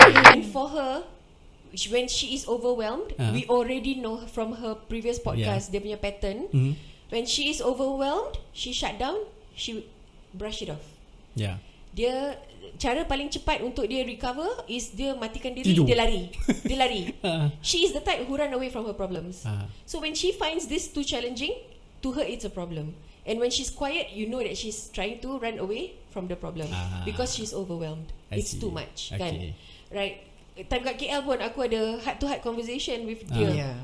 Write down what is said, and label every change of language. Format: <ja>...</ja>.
<en>And for her, when she is overwhelmed, we already know from her previous podcast,</en> <ms>dia punya pattern.</ms> <en>When she is overwhelmed, she shut down, she brush it off. Yeah.</en> <ms>Dia, cara paling cepat untuk dia recover</ms> <en>is</en> <ms>dia matikan diri. Tidur. Dia lari.</ms> <en>She is the type who run away from her problems. So when she finds this too challenging, to her it's a problem. And when she's quiet, you know that she's trying to run away from the problem. Because she's overwhelmed. Too much. Okay.</en> <ms>Kan?</ms> <en>Right.</en> <ms>Time kat KL pun aku ada</ms> <en>heart-to-heart conversation with</en> <ms>dia.</ms>